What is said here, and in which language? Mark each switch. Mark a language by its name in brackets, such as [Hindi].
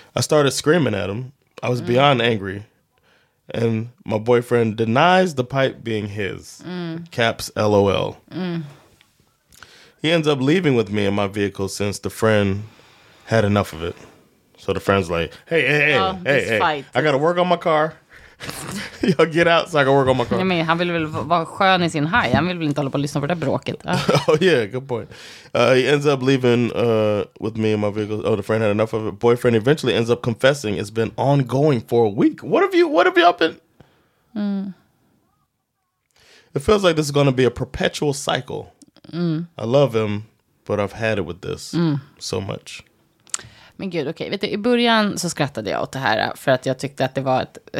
[English] I started screaming at him. I was beyond angry. And my boyfriend denies the pipe being his. Caps LOL. He ends up leaving with me in my vehicle since the friend had enough of it. So the friend's like, hey, fight. I gotta work on my car. Jag get out [Swedish] så jag kan [English] work on my car. [Swedish] Ja, men han vill väl vara skön i sin haj. Han vill väl inte hålla på och lyssna på det bråket. [English] Oh yeah, good point. He ends up leaving with me and my vehicle. Oh, the friend had enough of it. Boyfriend eventually ends up confessing. It's been ongoing for a week. What have y'all been? It feels like this is going to be a perpetual cycle. I love him, but I've had it with this so much. [Swedish] Men gud, okej. Okay. Vet du, i början så skrattade jag åt det här för att jag tyckte att det var ett...